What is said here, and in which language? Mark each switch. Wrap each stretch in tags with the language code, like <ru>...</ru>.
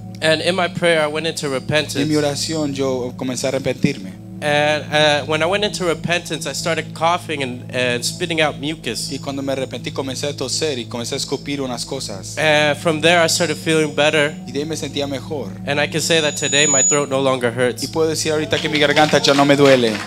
<en>And in my prayer, I went into repentance.</en> <es>En mi oración, yo comencé a arrepentirme.</es> <en>And when I went into repentance, I started coughing and spitting out mucus.</en> <es>Y cuando me arrepentí, comencé a toser y comencé a escupir unas cosas.</es> <en>And from there, I started feeling better.</en> <es>Y de ahí me sentía mejor.</es> <en>And I can say that today, my throat no longer hurts.</en> <es>Y puedo decir ahorita que mi garganta ya no me duele.</es>